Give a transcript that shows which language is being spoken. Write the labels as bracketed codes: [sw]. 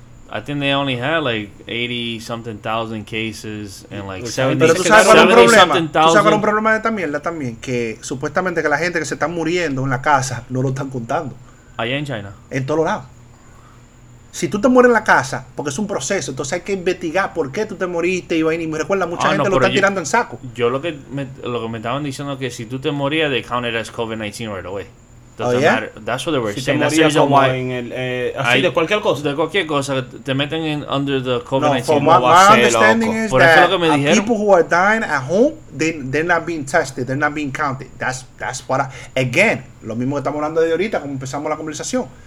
[en] I think they only had like 80 something thousand cases and like 70 something thousand. [es] Pero tú sabes cuál es un problema también, que supuestamente que la gente que se está muriendo en la casa no lo están contando. Allá en China. En todos lados. Si tú te mueres en la casa, porque es un proceso, entonces hay que investigar por qué tú te moriste y vaina. Y me recuerda, mucha gente lo está tirando en saco. Yo lo que me estaban diciendo, que si tú te morías, [en] they counted as COVID-19 right away. That's what they were saying. That's the reason why. [es] De cualquier cosa. De cualquier cosa, te meten [en] in under the COVID-19. No, my understanding is that people who are dying at home, they're not being tested. They're not being counted. That's what I... [es] Again, lo mismo que estamos hablando de ahorita, como empezamos la conversación.